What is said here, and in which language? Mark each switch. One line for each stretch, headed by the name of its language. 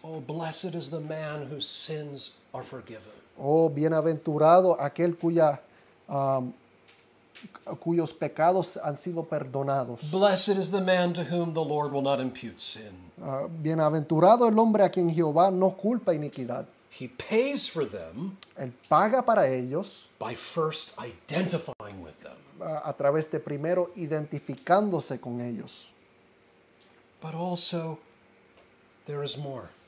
English: Oh, blessed is the man whose sins are forgiven.
Spanish: Oh, bienaventurado aquel cuyos pecados han sido perdonados.
English: Blessed is the man to whom the Lord will not impute sin.
Spanish: Bienaventurado el hombre a quien Jehová no culpa iniquidad.
English: He pays for them.
Spanish: Él paga para ellos.
English: By first identifying with them.
Spanish: A través de primero identificándose con ellos.
English: But also, there is more.